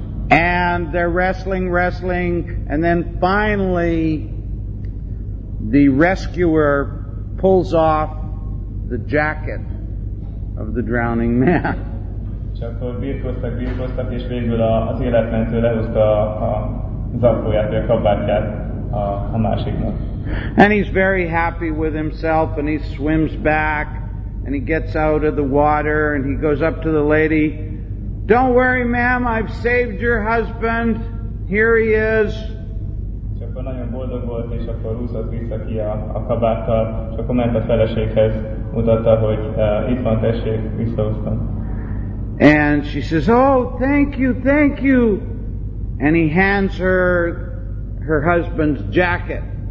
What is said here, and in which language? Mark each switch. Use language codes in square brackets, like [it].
[en] And they're wrestling, and then finally the rescuer pulls off the jacket of the drowning man. [hu] És akkor birkoztak, és végül az életmentő lehúzta a zakóját, vagy a kabátját a másiknak. [en] And he's very happy with himself, and he swims back, and he gets out of the water, and he goes up to the lady. Don't worry, ma'am, I've saved your husband. Here he is. [hu] És akkor nagyon boldog volt, és akkor úszott vissza ki a kabáttal, és akkor ment a feleséghez, mutatta, hogy itt van, tessék, visszahoztam. [en] And she says, oh, thank you. And he hands her husband's jacket.